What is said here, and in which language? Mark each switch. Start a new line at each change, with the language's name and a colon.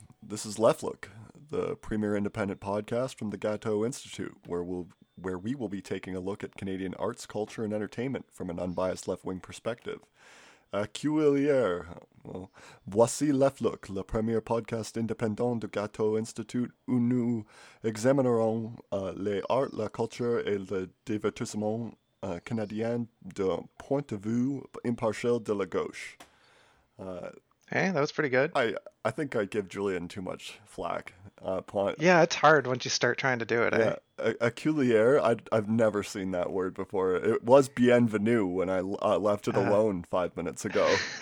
English: This is Left Look, the premier independent podcast from the Gatto Institute, where we will be taking a look at Canadian arts, culture, and entertainment from an unbiased left-wing perspective.
French: Accueillir. Well, voici Left Look, le premier podcast indépendant du Gatto Institute, où nous examinerons les arts, la culture et le divertissement canadien d'un point de vue impartial de la gauche.
English: Hey, that was pretty good. I think I give Julian too much flack. Yeah, it's hard once you start trying to do it. Yeah, accueillir, I've never seen that word before. It was bienvenu when I left it alone 5 minutes ago.